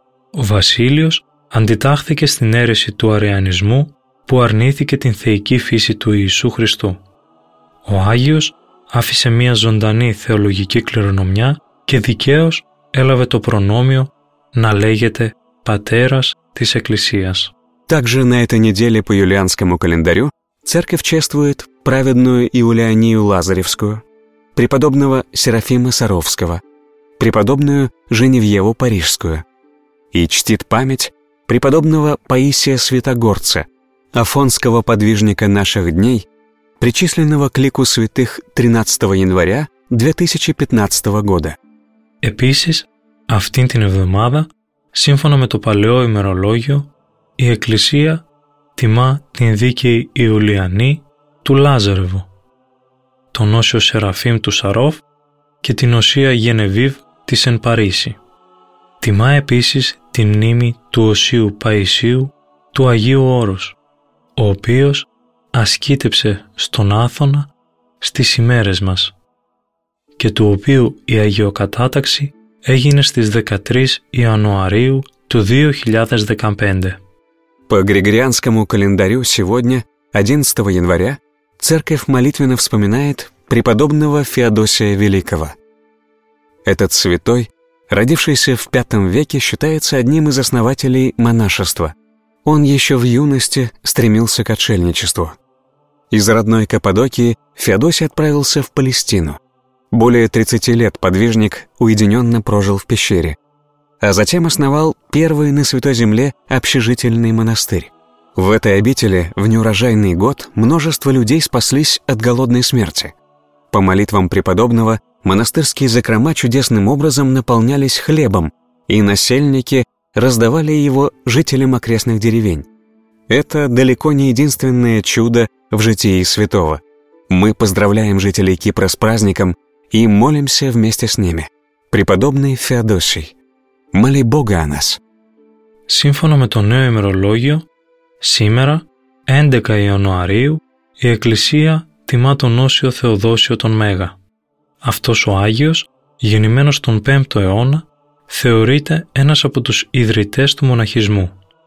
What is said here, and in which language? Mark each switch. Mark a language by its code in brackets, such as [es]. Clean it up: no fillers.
[el] Ο Βασίλειος αντιτάχθηκε στην αίρεση του αρεανισμού που αρνήθηκε την θεϊκή φύση του Ιησού Χριστού. Ο Άγιος άφησε μια ζωντανή θεολογική κληρονομιά και δικαίως έλαβε το προνόμιο να λέγεται «Πατέρας της Εκκλησίας». [ru] Также на этой неделе по юлианскому календарю церковь чествует праведную Иулианию Лазаревскую, преподобного Серафима Саровского, преподобную Женевьеву Парижскую и чтит память преподобного Паисия Святогорца, афонского подвижника наших дней, причисленного к лику святых 13 января 2015 года. [el] Επίσης, αυτήν την εβδομάδα, σύμφωνα με το παλαιό ημερολόγιο, η Εκκλησία τιμά την δίκαιη Ιουλιανή του Λάζαρεβου, τον Όσιο Σεραφείμ του Σαρόφ και την Οσία Γενεβίβ της Εν Παρίσι. Τιμά επίσης τη μνήμη του Οσίου Παϊσίου του Αγίου Όρους, ο οποίος ασκήτεψε στον Άθωνα στις ημέρες μας και του οποίου η αγιοκατάταξη έγινε στις 13 Ιανουαρίου του 2015. [ru] По Григорианскому календарю сегодня, 11 января, церковь молитвенно вспоминает преподобного Феодосия Великого. Этот святой, родившийся в V веке, считается одним из основателей монашества. Он еще в юности стремился к отшельничеству. Из родной Каппадокии Феодосий отправился в Палестину. Более 30 лет подвижник уединенно прожил в пещере, а затем основал первый на Святой Земле общежительный монастырь. В этой обители в неурожайный год множество людей спаслись от голодной смерти. По молитвам преподобного, монастырские закрома чудесным образом наполнялись хлебом, и насельники раздавали его жителям окрестных деревень. Это далеко не единственное чудо в житии святого. Мы поздравляем жителей Кипра с праздником и молимся вместе с ними. Преподобный Феодосий, моли Бога о нас. [el] Сύμφωνα με το νέο ημερολόγιο, σήμερα, 11 Ιανουαρίου, η Εκκλησία τιμά τον Όσιο Θεοδόσιο τον Μέγα. Αυτός ο Άγιος, γεννημένος τον 5ο αιώνα, θεωρείται ένας από τους ιδρυτές του μοναχισμού.